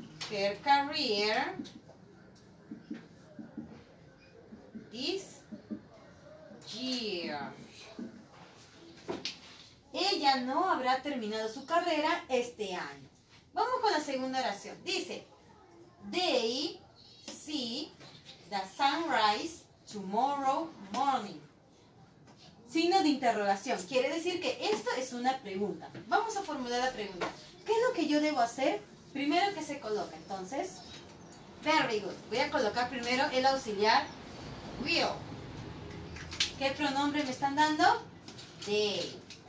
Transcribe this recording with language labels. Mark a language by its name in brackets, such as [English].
[English] Her career this year. [Spanish] Ella no habrá terminado su carrera este año. Vamos con la segunda oración. Dice, [English] they see the sunrise tomorrow morning. [Spanish] Signo de interrogación. Quiere decir que esto es una pregunta. Vamos a formular la pregunta. ¿Qué es lo que yo debo hacer? Primero que se coloca, entonces. [English] Very good. [Spanish] Voy a colocar primero el auxiliar will. ¿Qué pronombre me están dando? They.